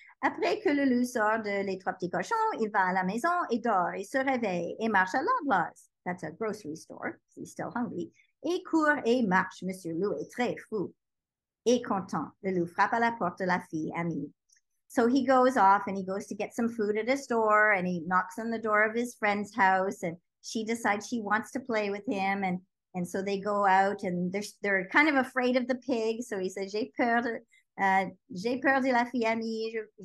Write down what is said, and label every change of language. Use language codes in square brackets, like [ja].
[fr] Après que le loup sort de les trois petits cochons, il va à la maison et dort, et se réveille, et marche à l'Anglaise. [en] That's a grocery store. He's still hungry. [fr] Et court et marche. Monsieur Loup est très fou. Et content. Le loup frappe à la porte de la fille, amie. [en] So he goes off and he goes to get some food at a store, and he knocks on the door of his friend's house, and she decides she wants to play with him, and And so they go out and they're kind of afraid of the pig. So he says, [fr] j'ai peur de la famille.